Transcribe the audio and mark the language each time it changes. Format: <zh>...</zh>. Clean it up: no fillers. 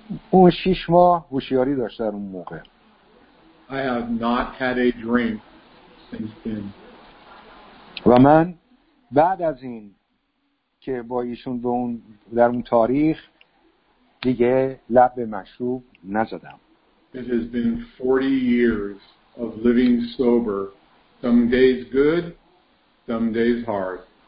<fa>اون 6 ماه هوشیاری داشت در اون موقع.</fa> <en>I have not had a drink since then.</en> <fa>و من بعد از این که با ایشون به اون در اون تاریخ دیگه لب به مشروب نزدم.</fa> <en>It has been 40 years of living sober. Some days good, some days hard.</en>